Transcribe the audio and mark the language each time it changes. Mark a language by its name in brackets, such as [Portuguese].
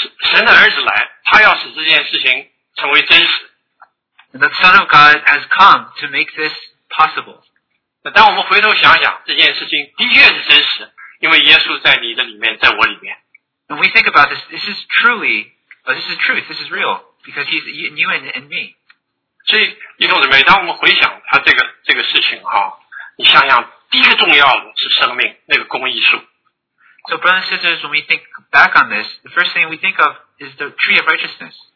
[Chinese] 神的儿子来，他要使这件事情成为真实。 [English] The Son of God has come to make this possible. [Chinese] 当我们回头想想，这件事情的确是真实，因为耶稣在你的里面，在我里面。 [English] When we think about this, this is truly, this is truth, this is real, because He's in you and me. [Chinese] 所以，弟兄姊妹，当我们回想他这个事情，你想想，第一个重要的是生命，那个公义树。 [English] So brothers and sisters, when we think back on this, the first thing we think of is the tree of righteousness.